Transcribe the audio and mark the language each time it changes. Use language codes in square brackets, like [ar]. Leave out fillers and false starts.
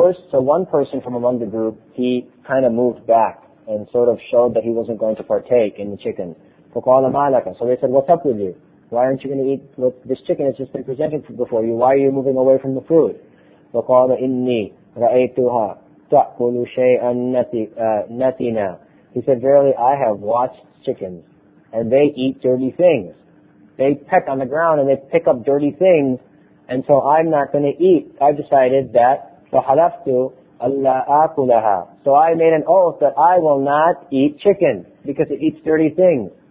[en] So one person from among the group, he kind of moved back and sort of showed that he wasn't going to partake in the chicken. So they said, what's up with you? Why aren't you going to eat? Look, this chicken has just been presented before you. Why are you moving away from the food? [ar] فقال إني رأيتها تأكل شيئا نتنا. [en] He said, verily, I have watched chickens and they eat dirty things. They peck on the ground and they pick up dirty things, and so I'm not going to eat. I decided that [ar] فَحَلَفْتُ أَلَّا أَكُلَهَا. [en] So I made an oath that I will not eat chicken because it eats dirty things.